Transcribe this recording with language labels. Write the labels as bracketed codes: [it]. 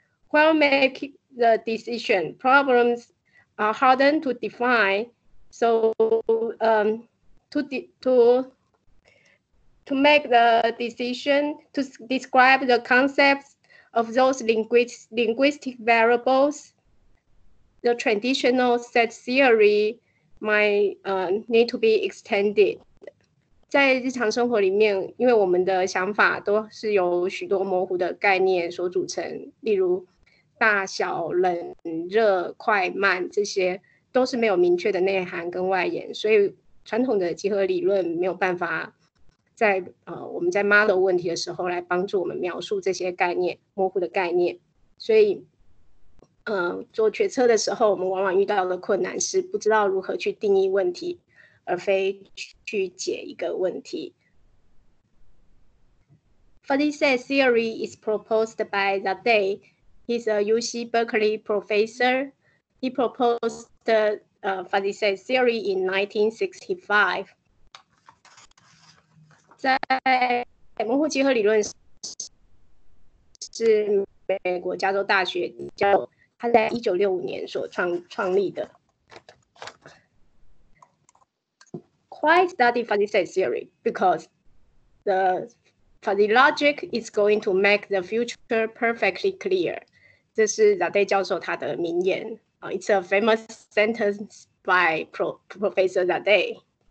[en] While making the decision, problems are harder to define, so to make the decision, to describe the concepts of those linguistic variables, the traditional set theory might need to be extended. [zh] 在日常生活里面，因为我们的想法都是由许多模糊的概念所组成，例如大小、冷、热、快、慢，这些都是没有明确的内涵跟外延，所以传统的集合理论没有办法在我们在 model 问题的时候来帮助我们描述这些概念，模糊的概念。所以做决策的时候，我们往往遇到的困难是不知道如何去定义问题，而非去解一个问题。 [en] Fuzzy set theory is proposed by Zade. He's a UC Berkeley professor. He proposed the fuzzy set theory in 1965. [zh] 在模糊集合理论是美国加州大学教授，他在1965年所创立的。 [en] Why study fuzzy set theory? Because the fuzzy logic is going to make the future perfectly clear. [zh] 这是 Zade 教授他的名言。 [en] It's a famous sentence by Professor Zade.